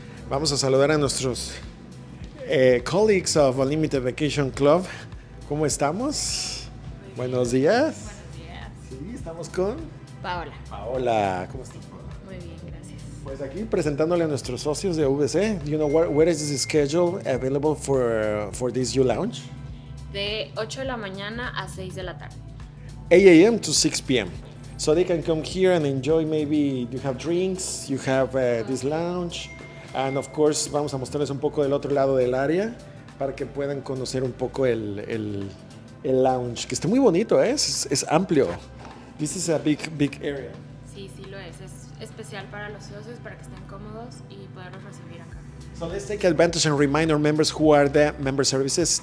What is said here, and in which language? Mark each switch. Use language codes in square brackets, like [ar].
[es] Vamos a saludar a nuestros [en] colleagues [es] of Unlimited Vacation Club. ¿Cómo estamos? Buenos días. Buenos días. Sí, estamos con Paola. Paola, ¿cómo estás? Muy bien, gracias. Pues aquí presentándole a nuestros socios de UVC. [en] You know where is the schedule available for this U Lounge? [es] De 8 de la mañana a 6 de la tarde. [en] 8 a.m. to 6 p.m. So they can come here and enjoy. Maybe you have drinks, you have this lounge, and of course, [es] vamos a mostrarles un poco del otro lado del área para que puedan conocer un poco el lounge, que está muy bonito, es amplio. [en] This is a big area. [es] Sí, sí lo es. Es especial para los socios, para que estén cómodos y poderlos recibir acá. [en] So let's take advantage and remind our members who are the member services.